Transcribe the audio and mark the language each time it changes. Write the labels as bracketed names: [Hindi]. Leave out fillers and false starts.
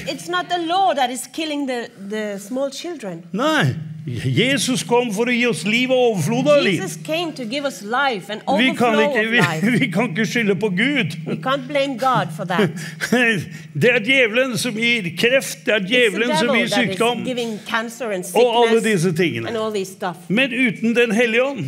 [English] But it's not the law that is killing the small children. [Norwegian] Nei. Jesus kom for å gi oss liv og overflod av liv. [English] Jesus came to give us life and overflow of life. [Norwegian] Vi kan ikke skylle på Gud. [English] We can't blame God for that. [Norwegian] Det djevelen som gir kreft, det djevelen som gir sykdom. [English] It's giving cancer and sickness. [Norwegian] Og alle disse tingene. [English] And all these stuff. [Norwegian] Men uten den hellige ånd,